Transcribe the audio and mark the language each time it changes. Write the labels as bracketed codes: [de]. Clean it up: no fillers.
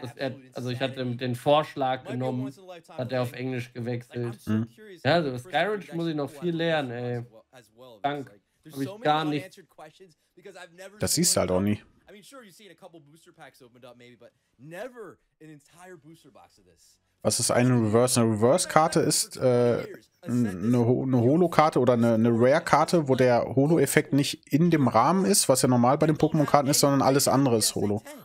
[de] Dass er, also ich hatte den Vorschlag genommen, hat er auf Englisch gewechselt. Ja, also Skyridge muss ich noch viel lernen, ey. Danke. Habe ich gar nicht. Das siehst du halt auch nie. [en] I mean, sure, you've seen a couple booster packs opened up, maybe, but never an entire booster box of this. [de] Was ist eine Reverse? Eine Reverse-Karte ist eine Holo-Karte oder eine Rare-Karte, wo der Holo-Effekt nicht in dem Rahmen ist, was ja normal bei den Pokémon-Karten ist, sondern alles andere ist Holo.